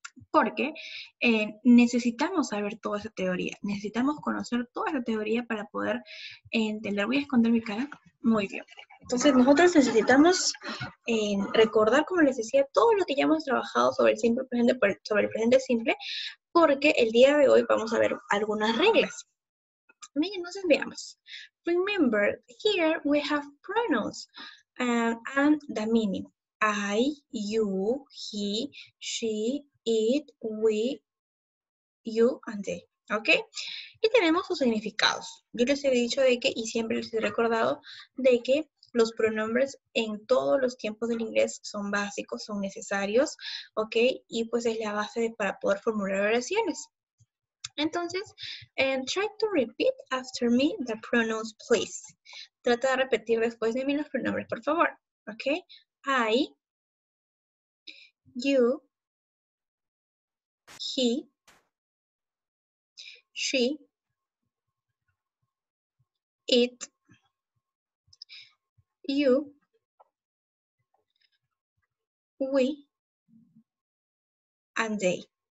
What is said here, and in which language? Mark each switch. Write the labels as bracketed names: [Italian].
[Spanish] Porque necesitamos saber toda esa teoría, necesitamos conocer toda esa teoría para poder entender. Voy a esconder mi cara. Muy bien. Entonces, nosotros necesitamos recordar, como les decía, todo lo que ya hemos trabajado sobre el simple presente, sobre el presente simple, porque el día de hoy vamos a ver algunas reglas. Bien, entonces veamos. [English] Remember, here we have pronouns and the meaning. I, you, he, she, it, we, you, and they. [Spanish] ¿Ok? Y tenemos sus significados. Yo les he dicho de que, y siempre les he recordado, de que los pronombres en todos los tiempos del inglés son básicos, son necesarios. ¿Ok? Y pues es la base para poder formular oraciones. [English] Entonces, try to repeat after me the pronouns, please. [Spanish] Trata de repetir después de mí los pronombres, por favor. ¿Ok? [English] I, you, he, she, it, you, we, and they.